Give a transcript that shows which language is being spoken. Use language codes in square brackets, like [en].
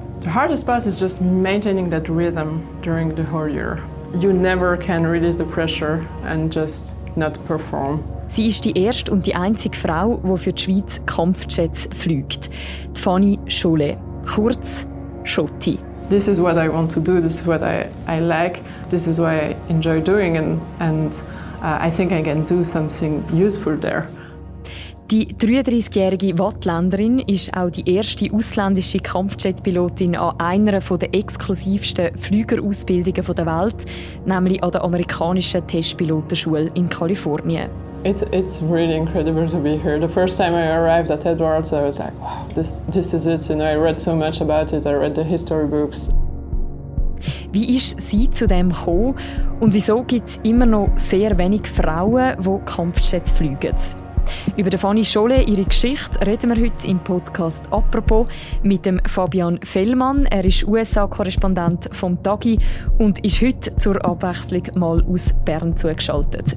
[en] The hardest part is just maintaining that rhythm during the whole year. You never can release the pressure and just not perform. [de] Sie ist die erste und die einzige Frau, die für die Schweiz Kampfjets fliegt. Fanny Scholle, kurz Schotti. [en] This is what I want to do, this is what I like, this is what I enjoy doing and I think I can do something useful there. [de] Die 33-jährige Wattländerin ist auch die erste ausländische Kampfjet-Pilotin an einer der exklusivsten Fliegerausbildungen der Welt, nämlich an der amerikanischen Testpilotenschule in Kalifornien. [en] It's really incredible to be here. The first time I arrived at Edwards, I was like, wow, this is it. You know, I read so much about it. I read the history books. [de] Wie ist sie zu dem gekommen? Und wieso gibt es immer noch sehr wenig Frauen, die Kampfjets fliegen? Über Fanny Scholle, ihre Geschichte, reden wir heute im Podcast «Apropos» mit dem Fabian Fellmann. Er ist USA-Korrespondent vom «Tagi» und ist heute zur Abwechslung mal aus Bern zugeschaltet.